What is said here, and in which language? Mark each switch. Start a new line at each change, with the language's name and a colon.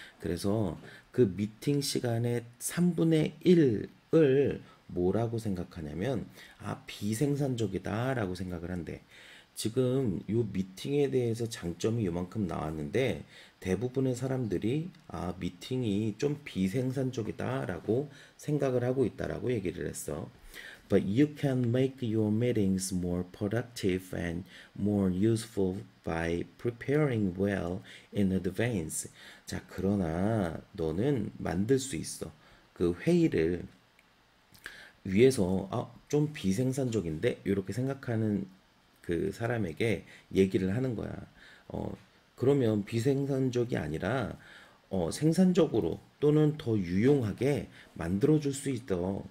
Korean: 그래서 그 미팅 시간의 3분의 1을 뭐라고 생각하냐면, 아, 비생산적이다라고 생각을 한대. 지금 요 미팅에 대해서 장점이 요만큼 나왔는데, 대부분의 사람들이, 아, 미팅이 좀 비생산적이다라고 생각을 하고 있다라고 얘기를 했어.
English: But you can make your meetings more productive and more useful by preparing well in advance.
Korean: 자, 그러나 너는 만들 수 있어. 그 회의를 위해서, 아, 좀 비생산적인데? 이렇게 생각하는 그 사람에게 얘기를 하는 거야. 그러면 비생산적이 아니라, 생산적으로 또는 더 유용하게 만들어줄 수 있어.